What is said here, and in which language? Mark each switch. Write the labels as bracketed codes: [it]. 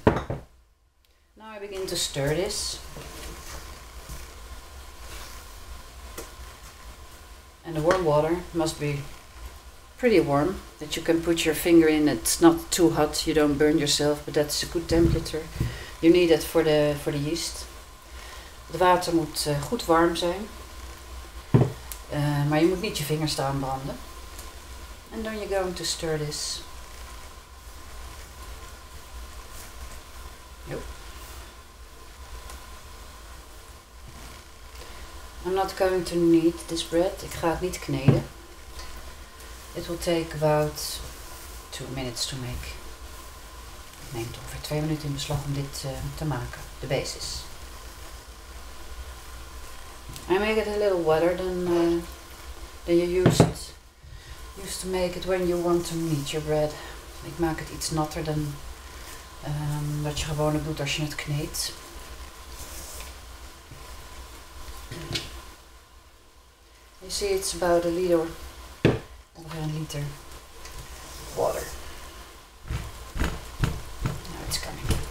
[en] Now I begin to stir this. And the warm water must be pretty warm, that you can put your finger in. It's not too hot, you don't burn yourself, but that's a good temperature. You need it for the yeast. [nl] Het water moet goed warm zijn, maar je moet niet je vingers staan branden. [en] And then you're going to stir this. I'm not going to knead this bread. [nl] Ik ga het niet kneden. [en] It will take about 2 minutes to make. [nl] Het neemt ongeveer 2 minuten in beslag om dit te maken. De basis. [en] I make it a little wetter than you used to make it when you want to knead your bread. [nl] Ik maak het iets natter dan wat je gewoon doet als je het kneedt. [en] You see, it's about a liter, over a liter of water. Now it's coming.